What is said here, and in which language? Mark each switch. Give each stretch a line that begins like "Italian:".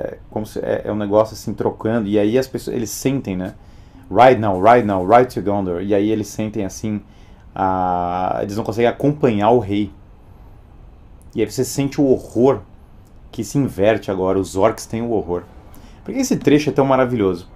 Portuguese: Como se é um negócio assim trocando. E aí as pessoas, eles sentem, né?
English: Ride now, ride now, ride to Gondor.
Portuguese: E aí eles sentem assim. Eles não conseguem acompanhar o rei. E aí você sente o horror que se inverte agora. Os orcs têm o horror. Por que esse trecho é tão maravilhoso?